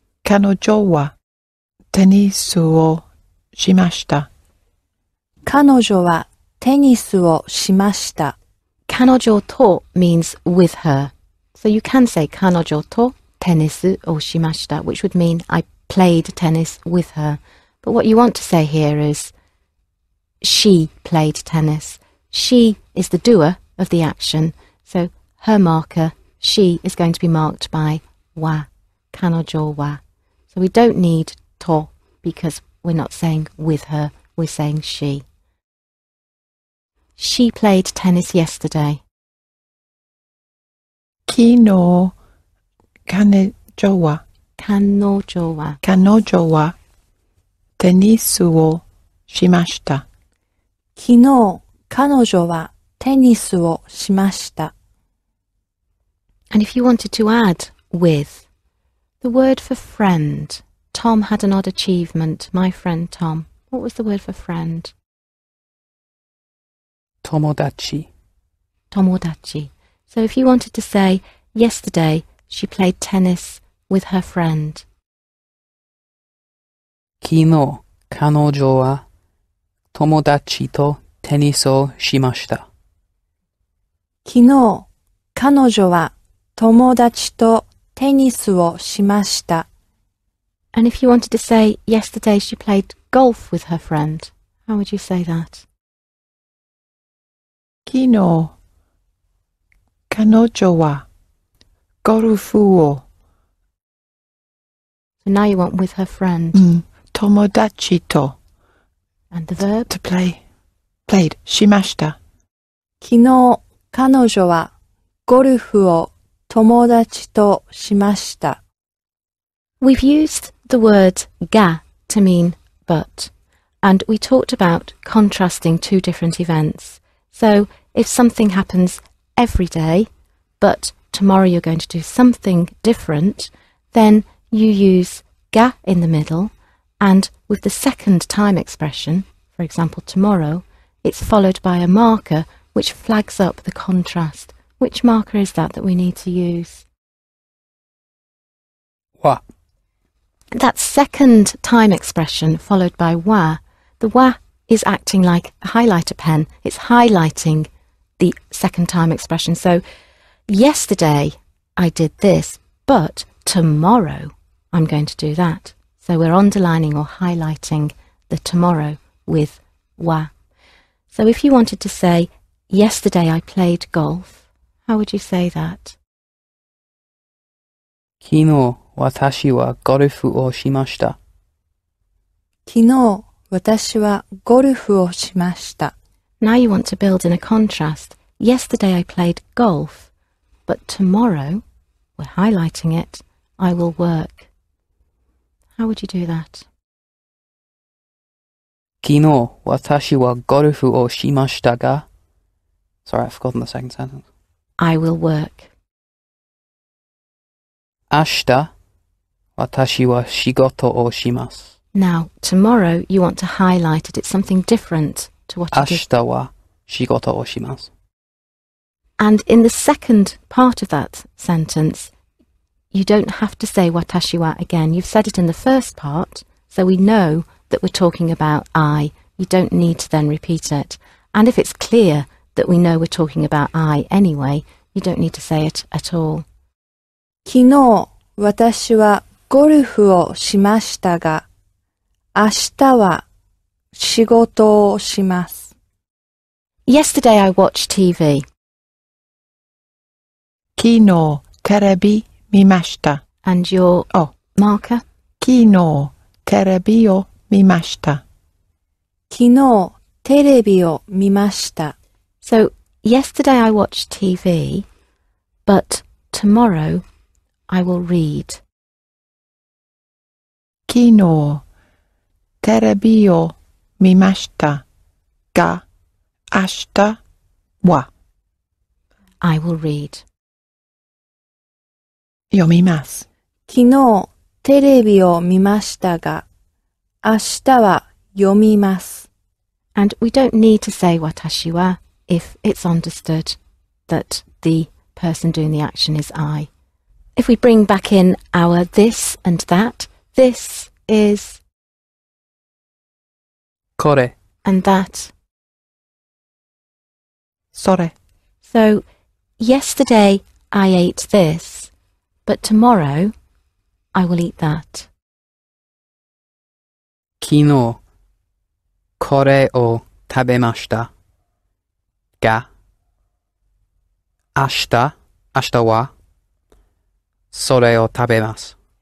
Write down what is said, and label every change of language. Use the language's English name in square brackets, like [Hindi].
[Japanese] 彼女はテニスをしました。彼女はテニスをしました。彼女と [English] means with her. So you can say [Japanese] 彼女とテニスをしました, [English] which would mean I played tennis with her. But what you want to say here is she played tennis. She is the doer of the action. So her marker, she is going to be marked by wa. [Japanese] 彼女は [English] So we don't need to because we're not saying with her, we're saying she. She played tennis yesterday. [Japanese] 昨日彼女は彼女は彼女はテニスをしました。昨日彼女はテニスをしました。 [English] And if you wanted to add withThe word for friend. Tom had an odd achievement. My friend Tom. What was the word for friend? [Japanese] 友達友達 [English] So if you wanted to say, yesterday she played tennis with her friend. [Japanese] 昨日彼女は友達とテニスをしました。昨日彼女は友達とテニスをしました。 [English] And if you wanted to say, yesterday she played golf with her friend, How would you say that? [Japanese] 昨日、彼女はゴルフを。 [English] So now you went with her friend. [Japanese] 友達と。 [English] And the verb? To play. Played. [Japanese] しました。昨日、彼女はゴルフを友達としました。 [English] We've used the word が to mean but, and we talked about contrasting two different events. So, if something happens every day, but tomorrow you're going to do something different, then you use が in the middle, and with the second time expression, for example tomorrow, it's followed by a marker which flags up the contrast. Which marker is that we need to use? [Japanese] わ. [English] That second time expression followed by わ, the わ is acting like a highlighter pen. It's highlighting the second time expression. So, yesterday I did this, but tomorrow I'm going to do that. So we're underlining or highlighting the tomorrow with わ. So if you wanted to say, yesterday I played golf, how would you say that? [Japanese] 昨日私はゴルフをしました。昨日私はゴルフをしました。 [English] Now you want to build in a contrast. Yesterday I played golf, but tomorrow, we're highlighting it, I will work. How would you do that? [Japanese] 昨日私はゴルフをしましたが、 [English] Sorry, I've forgotten the second sentence. I will work. [Japanese] 明日、私は仕事をします。 [English] Now, tomorrow, you want to highlight it. It's something different to what you did. [Japanese] 明日は仕事をします。 [English] And in the second part of that sentence, you don't have to say [Japanese] 私は [English] again. You've said it in the first part, so we know that we're talking about I. You don't need to then repeat it. And if it's clear that we know we're talking about I anyway, you don't need to say it at all. [Japanese] 昨日私はゴルフをしましたが、明日は仕事をします。 [English] Yesterday I watched TV. [Japanese] 昨日テレビ見ました。 [English] And your marker? [Japanese] 昨日テレビを見ました。昨日テレビを見ました。 [English] So, yesterday I watched TV, but tomorrow I will read. [Japanese] 昨日テレビを見ましたが、明日は。 [English] I will read. [Japanese] 読みます。昨日テレビを見ましたが、明日は読みます。 [English] And we don't need to say [Japanese] 私は。 [English] If it's understood that the person doing the action is I. If we bring back in our this and that, this is... [Japanese] これ. [English] And that... [Japanese] それ. [English] So, yesterday I ate this, but tomorrow I will eat that. [Japanese] 昨日これを食べました。が、明日は、それを食べます。